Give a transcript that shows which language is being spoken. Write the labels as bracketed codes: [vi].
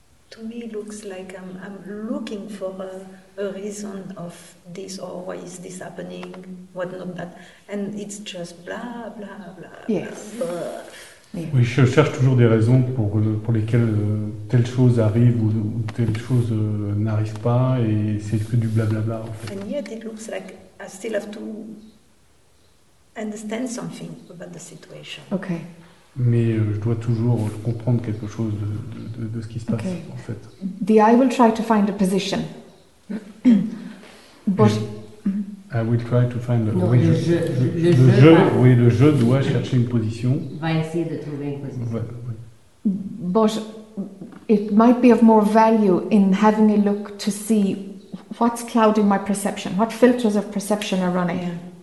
[en] To me, it looks like I'm looking for a reason of this or why is this happening, what not that, and it's just blah blah blah. Yes. Blah. [fr] Oui, je cherche toujours des raisons pour lesquelles telle chose arrive ou telle chose n'arrive pas, et c'est que du blablabla, en fait. [en] And yet it looks like I still have to understand something about the situation. Okay. [fr] Mais je dois toujours comprendre quelque chose de ce qui se passe, okay. En fait. [en] The I will try to find a position. But... I will try to find a... [fr] Non, oui, le jeu oui, le jeu doit chercher une position. Va essayer de trouver une position. Ouais, [en] oui. But it might be of more value in having a look to see what's clouding my perception, what filters of perception are running.